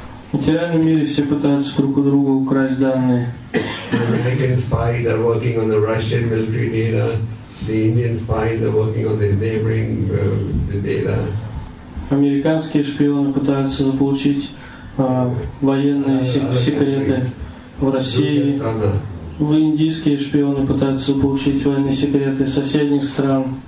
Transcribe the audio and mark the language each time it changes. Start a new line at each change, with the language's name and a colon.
Russian: В материальном мире все пытаются друг у друга украсть данные.
English: American spies are working on the Russian military data. The Indian spies are working on the neighboring data.
Russian: Американские шпионы пытаются заполучить военные секреты в России. В индийские шпионы пытаются заполучить военные секреты соседних стран.